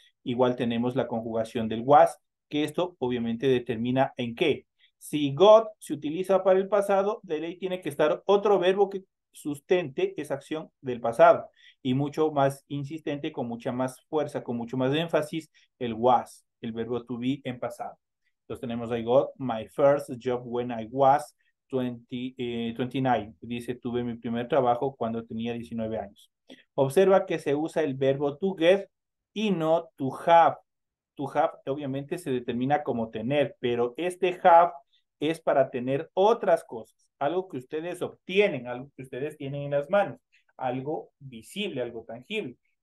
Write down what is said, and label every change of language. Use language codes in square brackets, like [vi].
[es] Igual tenemos la conjugación del was, que esto, obviamente, determina en qué. Si got se utiliza para el pasado, de ley tiene que estar otro verbo que sustente esa acción del pasado. Y mucho más insistente, con mucha más fuerza, con mucho más énfasis, el was, el verbo to be en pasado. Entonces tenemos, [en] I got my first job when I was 29. [es] Dice, tuve mi primer trabajo cuando tenía 19 años. Observa que se usa el verbo to get y no to have. To have obviamente se determina como tener, pero este have es para tener otras cosas, algo que ustedes obtienen, algo que ustedes tienen en las manos, algo visible, algo tangible.